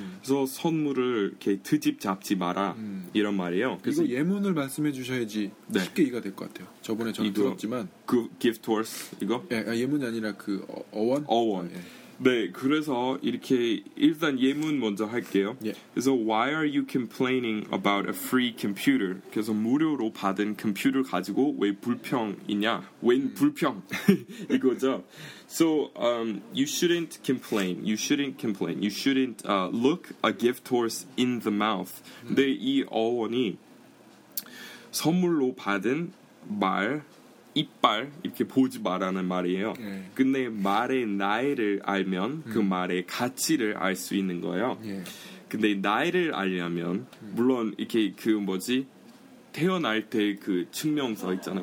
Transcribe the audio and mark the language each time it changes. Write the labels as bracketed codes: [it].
[ko] 그래서 선물을 이렇게 트집 잡지 마라. 이런 말이에요. 그래서 이거 예문을 말씀해 주셔야지 네. 쉽게 이해가 될 것 같아요. 저번에 저는 이거, 들었지만 그 gift horse 이거? 예, 예문이 아니라 그 어원? 어원. 아, 예. 네, 그래서 이렇게 일단 예문 먼저 할게요. [en] Yeah. [ko] 그래서 [en] why are you complaining about a free computer? [ko] 그래서 무료로 받은 컴퓨터 가지고 왜 불평이냐? 웬 불평? 이거죠. [en] So you shouldn't complain. You shouldn't complain. You shouldn't look a gift horse in the mouth. [ko] 근데 이 어원이 선물로 받은 말 이빨 이렇게 보지 말라는 말이에요. 네. 근데 말의 나이를 알면 그 말의 가치를 알 수 있는 거예요. 네. 근데 나이를 알려면 물론 이렇게 그 뭐지 태어날 때 그 증명서 있잖아요.